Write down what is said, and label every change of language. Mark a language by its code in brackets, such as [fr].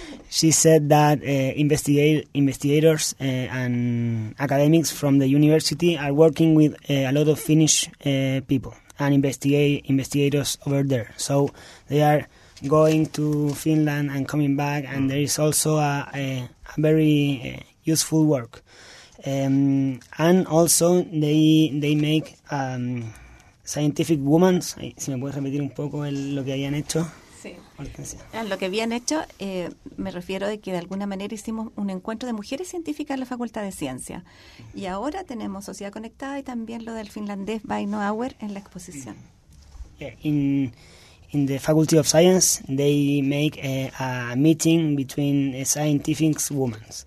[en] She said that investigators and academics from the university are working with a lot of Finnish people and investigators over there. So they are going to Finland and coming back, and there is also a very useful work. And also they make scientific women. [es] Ay, si me puedes repetir un poco lo que habían hecho. En lo que habían hecho, me refiero de que de alguna manera hicimos un encuentro de mujeres científicas en la Facultad de Ciencia. Y ahora tenemos Sociedad Conectada y también lo del finlandés Vaino Auer en la exposición. [en] In the Faculty of Science, they make a meeting between scientific women.